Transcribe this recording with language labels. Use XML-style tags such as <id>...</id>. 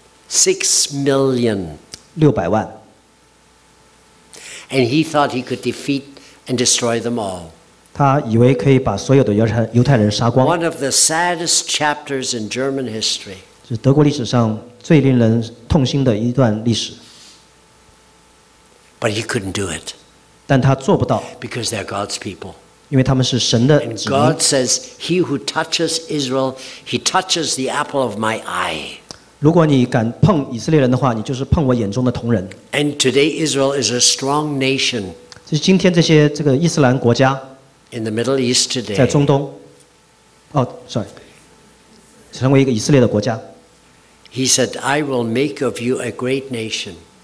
<en>6 million.</en> <zh>600万。</zh> <en>And he thought he could defeat and destroy them all.</en> <zh>他以为可以把所有的犹太人杀光。</zh> <en>One of the saddest chapters in German history.</en> <zh>是德国历史上最令人痛心的一段历史。</zh> <en>But he couldn't do it.</en> <zh>但他做不到。</zh> <en>Because they're God's people.</en> <zh>因为他们是神的子民。</zh> <en>And God says, "He who touches Israel, he touches the apple of my eye."</en> <zh>如果你敢碰以色列人的话，你就是碰我眼中的瞳仁。</zh> <en>And today Israel is a strong nation.</en> <zh>就是今天这些这个伊斯兰国家。</zh> <en>In the Middle East today.</en> <zh>在中东。哦 ，sorry， 成为一个以色列的国家。</zh> <en>He said, "I will make of you a great nation."</en>